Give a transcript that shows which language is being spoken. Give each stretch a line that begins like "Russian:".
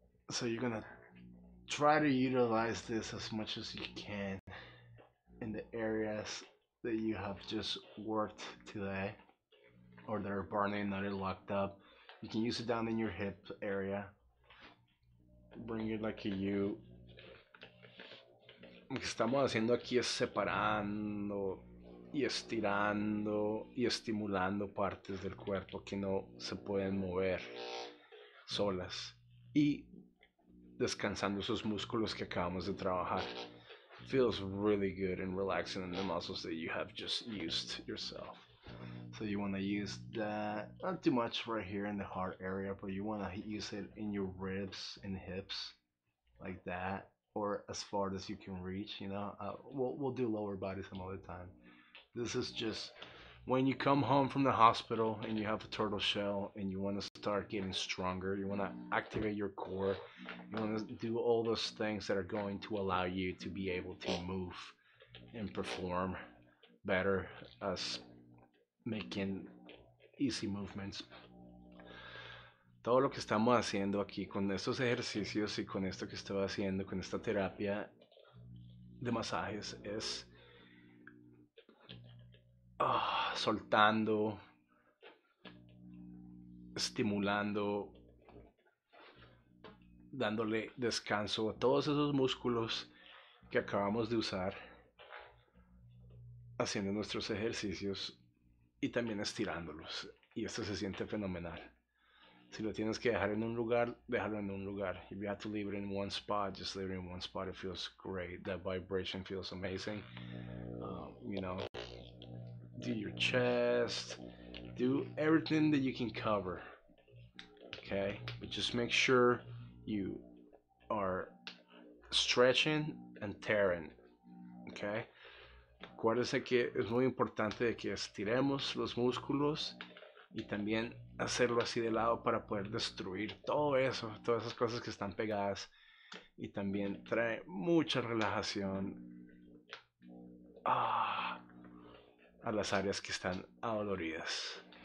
English: So you're gonna try to utilize this as much as you can in the areas that you have just worked today or that are burning, that are locked up. You can use it down in your hip area. Bring it like a U.
Spanish: Lo que estamos haciendo aquí es separando y estirando y estimulando partes del cuerpo que no se pueden mover solas. Y descansando esos músculos que acabamos de trabajar.
English: Feels really good and relaxing in the muscles that you have just used yourself. So you want to use that, not too much right here in the heart area, but you want to use it in your ribs and hips like that, or as far as you can reach, you know. We'll do lower body some other time. This is just when you come home from the hospital and you have a turtle shell and you want to start getting stronger, you want to activate your core, you want to do all those things that are going to allow you to be able to move and perform better, as making easy movements.
Spanish: Todo lo que estamos haciendo aquí con estos ejercicios y con esto que estoy haciendo con esta terapia de masajes es soltando, estimulando, dándole descanso a todos esos músculos que acabamos de usar haciendo nuestros ejercicios y también estirándolos. Y esto se siente fenomenal. Si lo tienes que dejar en un lugar, déjalo en un lugar.
English: If you have to leave it in one spot, just leave it in one spot. It feels great. That vibration feels amazing. You know, do your chest. Do everything that you can cover. Okay? But just make sure you are stretching and tearing. Okay?
Spanish: Acuérdense que es muy importante que estiremos los músculos y también hacerlo así de lado para poder destruir todo eso, todas esas cosas que están pegadas, y también trae mucha relajación a las áreas que están adoloridas.